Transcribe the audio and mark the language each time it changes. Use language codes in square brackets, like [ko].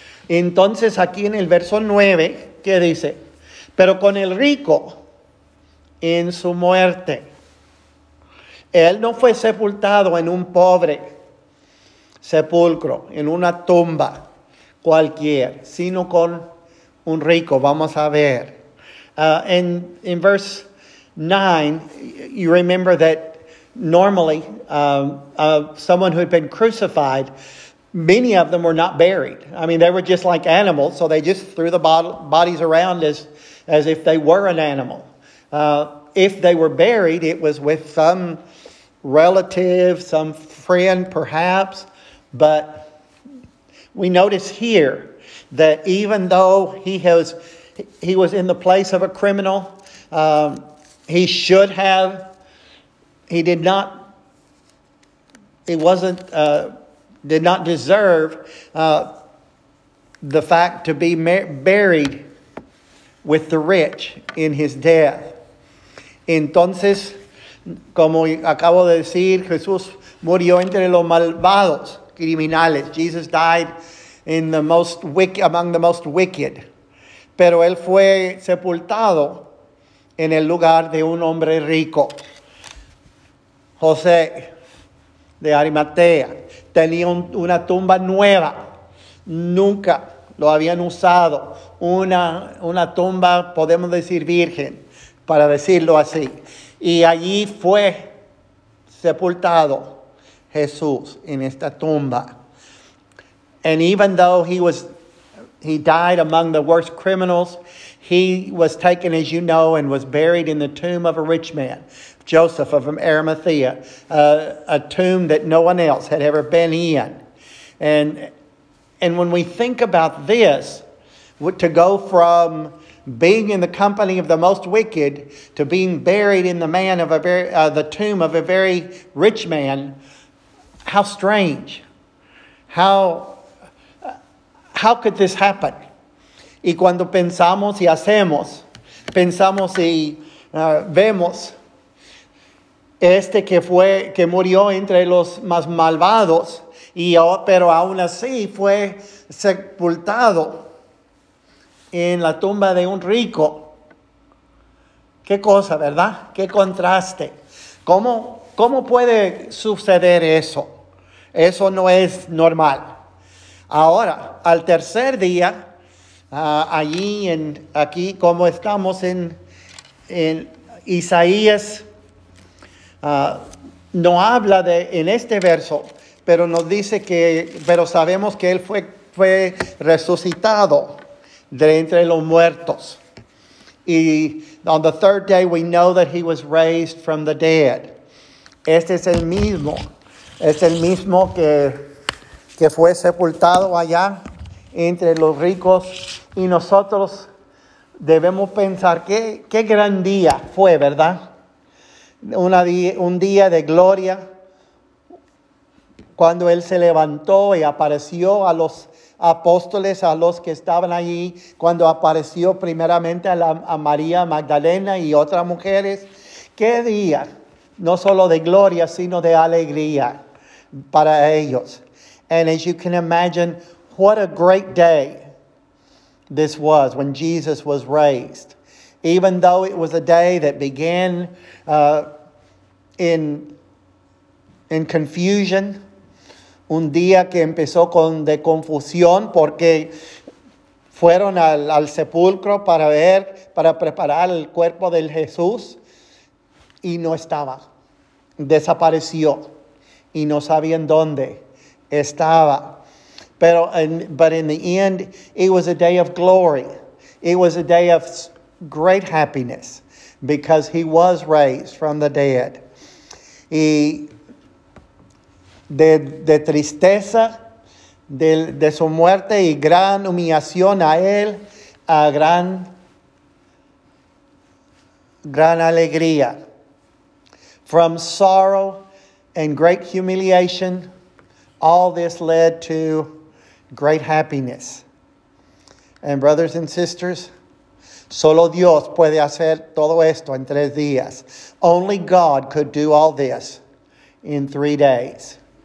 [es] Entonces aquí en el verso 9, ¿qué dice? Pero con el rico en su muerte, él no fue sepultado en un pobre sepulcro, en una tumba cualquiera, sino con un rico. Vamos a ver. [en] In verse 9, you remember that normally someone who had been crucified, many of them were not buried. I mean, they were just like animals, so they just threw the bodies around as if they were an animal. If they were buried, it was with some relative, some friend perhaps. But we notice here that even though he was in the place of a criminal, he did not deserve the fact to be buried with the rich in his death. [es] Entonces, como acabo de decir, Jesús murió entre los malvados, criminales. [en] Jesus died among the most wicked. [es] Pero él fue sepultado en el lugar de un hombre rico. José de Arimatea tenía una tumba nueva. Nunca lo habían usado. Una tumba, podemos decir, virgen, para decirlo así. Y allí fue sepultado Jesús en esta tumba. [en] And even though he died among the worst criminals, he was taken, as you know, and was buried in the tomb of a rich man, Joseph of Arimathea, a tomb that no one else had ever been in. And when we think about this, to go from being in the company of the most wicked to being buried in the tomb of a very rich man, how strange. How could this happen? [es] Y cuando pensamos y hacemos, pensamos y vemos este que murió entre los más malvados, pero aún así fue sepultado en la tumba de un rico. Qué cosa, ¿verdad? Qué contraste. ¿Cómo puede suceder eso? Eso no es normal. Ahora, al tercer día, aquí como estamos en Isaías, no habla de en este verso, pero nos dice que, pero sabemos que él fue resucitado de entre los muertos. [en] Y on the third day we know that he was raised from the dead. [es] Este es el mismo. Es el mismo que fue sepultado allá entre los ricos. Y nosotros debemos pensar qué gran día fue, ¿verdad? Un día de gloria cuando él se levantó y apareció a los apóstoles a los que estaban allí cuando apareció primeramente a María Magdalena y otras mujeres. ¡Qué día! No solo de gloria, sino de alegría para ellos. [en] And as you can imagine, what a great day this was when Jesus was raised. Even though it was a day that began in confusion, [es] un día que empezó con de confusión porque fueron al sepulcro para ver, para preparar el cuerpo del Jesús y no estaba. Desapareció y no sabían dónde estaba. [en] But in the end, it was a day of glory. It was a day of great happiness because he was raised from the dead. [es] Y de tristeza de su muerte y gran humillación a él, a gran alegría. [en] From sorrow and great humiliation, all this led to great happiness. And brothers and sisters, [es] solo Dios puede hacer todo esto en 3 días. [en] Only God could do all this in 3 days.